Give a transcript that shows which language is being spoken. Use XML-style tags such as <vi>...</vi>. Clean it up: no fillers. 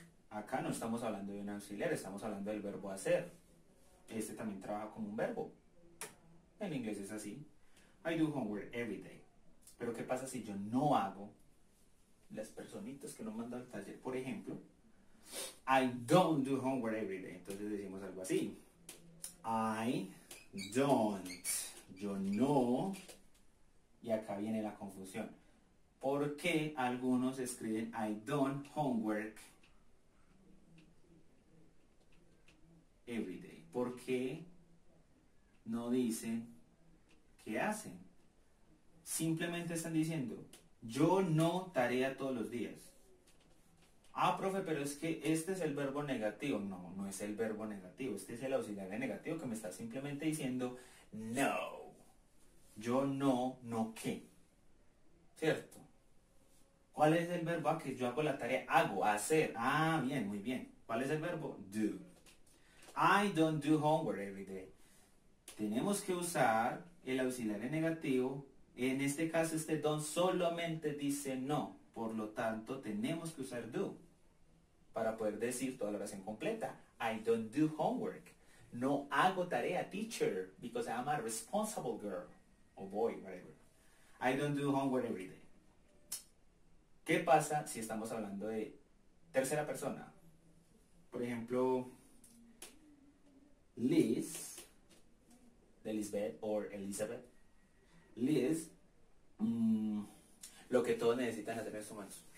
<es>Acá no estamos hablando de un auxiliar, estamos hablando del verbo hacer. Este también trabaja como un verbo. En inglés es así.</es> <en>I do homework every day.</en> <es>Pero ¿qué pasa si yo no hago las personitas que no mandan al taller? Por ejemplo,</es> <en>I don't do homework every day.</en> <es>Entonces decimos algo así.</es> <en>I don't.</en> <es>Yo no. Y acá viene la confusión. ¿Por qué algunos escriben</es> <en>I don't homework every day?</en> <es>¿Por qué no dicen qué hacen? Simplemente están diciendo, yo no tarea todos los días. Ah, profe, pero es que este es el verbo negativo. No, no es el verbo negativo. Este es el auxiliar de negativo que me está simplemente diciendo, no. Yo no, no qué. ¿Cierto? ¿Cuál es el verbo? Ah, que yo hago la tarea. Hago, hacer. Ah, bien, muy bien. ¿Cuál es el verbo? Do.</es> <en>I don't do homework every day.</en> <es>Tenemos que usar el auxiliar de negativo. En este caso, este don solamente dice no. Por lo tanto, tenemos que usar do para poder decir toda la oración completa.</es> <en>I don't do homework.</en> <es>No hago tarea,</es> <en>teacher, because I'm a responsible girl. O boy, whatever. I don't do homework every day.</en> <es>¿Qué pasa si estamos hablando de tercera persona? Por ejemplo, Liz, de Lisbeth o Elizabeth. Liz, lo que todos necesitan hacer en su mano.</es>